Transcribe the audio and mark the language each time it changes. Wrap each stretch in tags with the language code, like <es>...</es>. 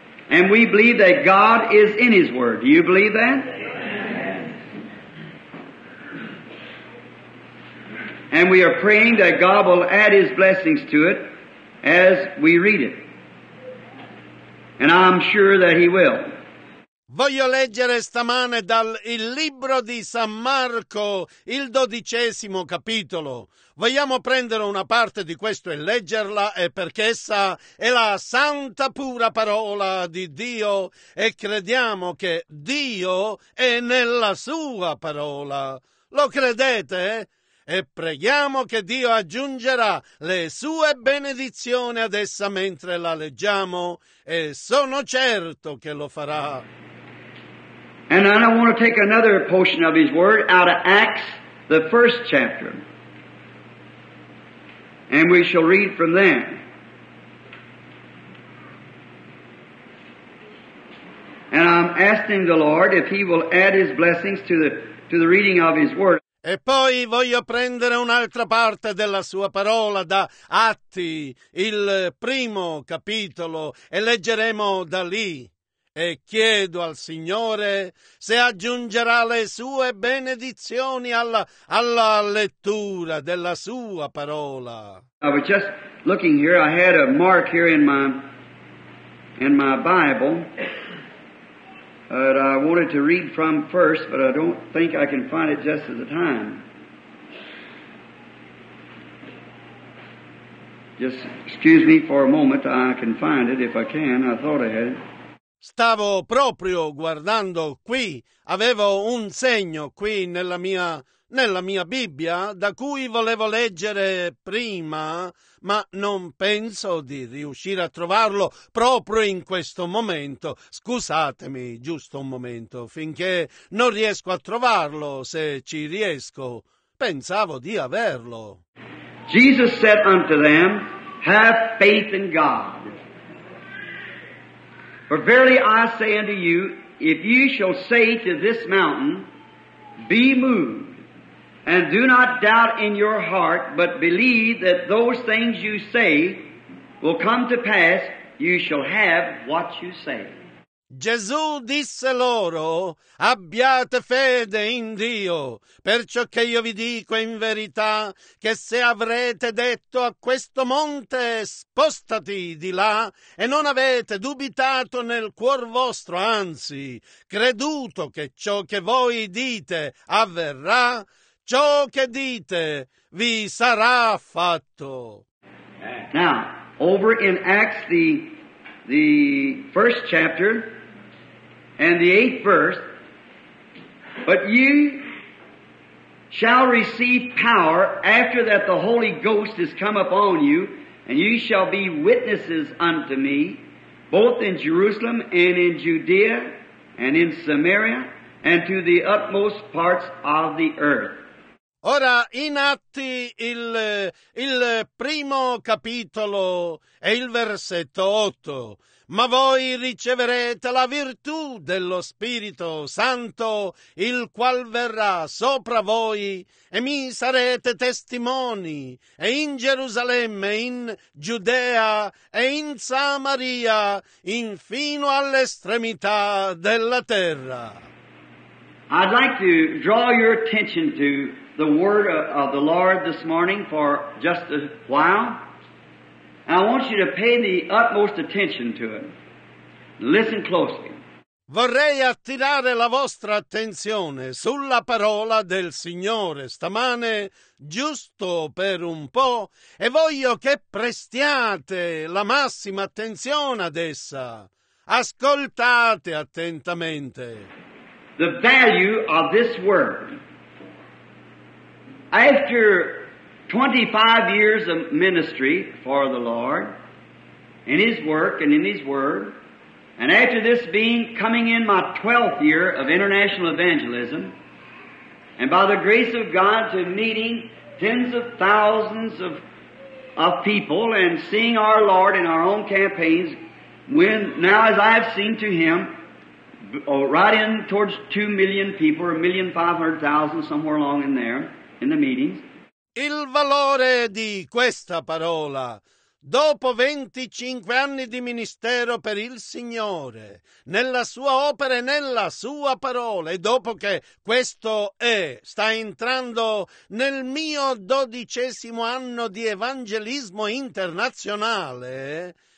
<en>And we believe that God is in His Word. Do you believe that? Amen. And we are praying that God will add His blessings to it as we read it. And I'm sure that He will.</en> <it>Voglio leggere stamane dal il libro di San Marco, il 12° capitolo. Vogliamo prendere una parte di questo e leggerla, perché essa è la santa pura parola di Dio e crediamo che Dio è nella sua parola. Lo credete? E preghiamo che Dio aggiungerà le sue benedizioni ad essa mentre la leggiamo, e sono certo che lo farà.</it> <en>And then I want to take another portion of His Word out of Acts, the first chapter. And we shall read from there. And I'm asking the Lord if He will add His blessings to the reading of His Word.</en> <it>E poi voglio prendere un'altra parte della sua parola da Atti, il primo capitolo, e leggeremo da lì. E chiedo al Signore se aggiungerà le sue benedizioni alla lettura della sua parola.</it> <en>I was just looking here. I had a mark here in my Bible that I wanted to read from first, but I don't think I can find it just at the time. Just excuse me for a moment. I can find it if I can. I thought I had it.</en> <it>Stavo proprio guardando qui, avevo un segno qui nella mia Bibbia da cui volevo leggere prima, ma non penso di riuscire a trovarlo proprio in questo momento. Scusatemi, giusto un momento, finché non riesco a trovarlo, se ci riesco. Pensavo di averlo.</it> <en>Jesus said unto them, have faith in God. For verily I say unto you, if ye shall say to this mountain, be moved, and do not doubt in your heart, but believe that those things you say will come to pass, you shall have what you say.</en> <it>Gesù disse loro, abbiate fede in Dio, perciò che io vi dico in verità che se avrete detto a questo monte, spostati di là, e non avete dubitato nel cuor vostro, anzi, creduto che ciò che voi dite avverrà, ciò che dite vi sarà fatto.</it> <en>Now, over in Acts, the first chapter, and the 8th verse, but you shall receive power after that the Holy Ghost is come upon you, and you shall be witnesses unto me, both in Jerusalem and in Judea and in Samaria and to the utmost parts of the earth.</en> <it>Ora, in Atti, il primo capitolo e il versetto 8. Ma voi riceverete la virtù dello Spirito Santo, il qual verrà sopra voi, e mi sarete testimoni, e in Gerusalemme, in Giudea, e in Samaria, in fino all'estremità della terra.</it> <en>I'd like to draw your attention to the word of the Lord this morning for just a while. I want you to pay the utmost attention to it. Listen closely.</en> <it>Vorrei attirare la vostra attenzione sulla parola del Signore stamane, giusto per un po', e voglio che prestiate la massima attenzione ad essa. Ascoltate attentamente.</it> <en>The value of this word. After 25 years of ministry for the Lord, in His work and in His Word, and after this being coming in my 12th year of international evangelism, and by the grace of God to meeting tens of thousands of people and seeing our Lord in our own campaigns, when now as I have seen to Him, right in towards 2 million people or 1,500,000 somewhere along in there, in the meetings,</en> <it>Il valore di questa parola, dopo 25 anni di ministero per il Signore, nella sua opera e nella sua parola, e dopo che questo sta entrando nel mio 12° anno di evangelismo internazionale,</it>